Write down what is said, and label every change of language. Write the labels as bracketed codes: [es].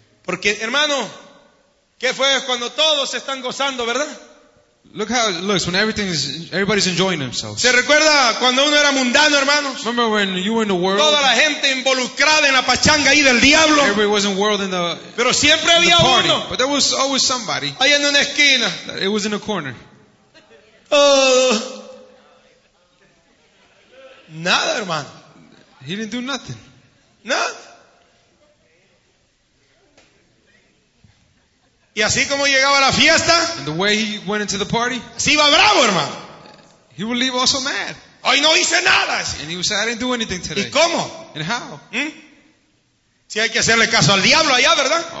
[es] Porque, hermano, ¿qué fue cuando todos están gozando, verdad? [en] Look how it looks when everything is, everybody's enjoying themselves. [es] ¿Se recuerda cuando uno era mundano, hermanos? [en] Remember when you were in the world? [es] Toda la gente involucrada en la pachanga ahí del diablo. [en] Everybody was in the world in the. [es] Pero siempre había uno. [en] But there was always somebody. [es] Ahí en una esquina. [en] It was in a corner. [es] Nada, hermano. [en] He didn't do nothing. [es] Nada. Y así como llegaba a la fiesta, [en] and the way he went into the party, [es] así iba bravo, hermano. [en] He would leave also mad. [es] Hoy no hice nada. [en] And he would say, I didn't do anything today. [es] ¿Y cómo? [en] And how? ¿Mm? [es] Si hay que hacerle caso al diablo allá, ¿verdad?